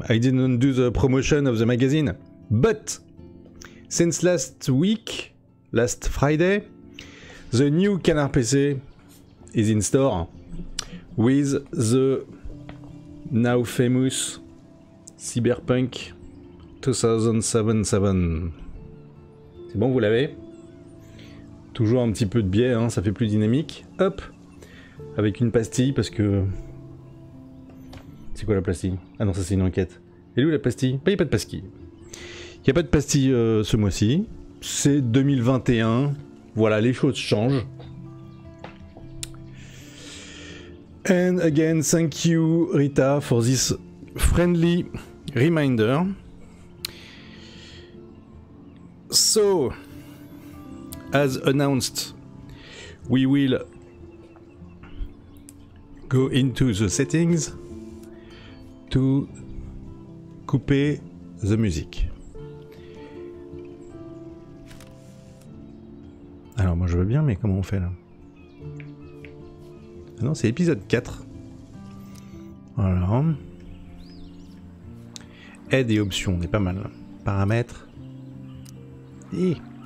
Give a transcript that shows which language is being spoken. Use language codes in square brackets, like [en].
[en] I didn't do the promotion of the magazine. But since last week, last Friday, the new Canard PC is in store with the now famous Cyberpunk 2077. [fr] C'est bon, vous l'avez ? Toujours un petit peu de biais, hein, ça fait plus dynamique. Hop ! Avec une pastille, parce que... C'est quoi la pastille ? Ah non, ça c'est une enquête. Elle est où la pastille ? Bah, y a pas de pastille. Il n'y a pas de pastille ce mois-ci. C'est 2021. Voilà, les choses changent. [en] And again, thank you, Rita, for this friendly reminder. So, as announced, we will go into the settings to [fr] couper [en] the music. [fr] Alors, moi, je veux bien, mais comment on fait, là ? Ah non, c'est épisode 4. Alors. Aide et options, on est pas mal. Paramètres. Et...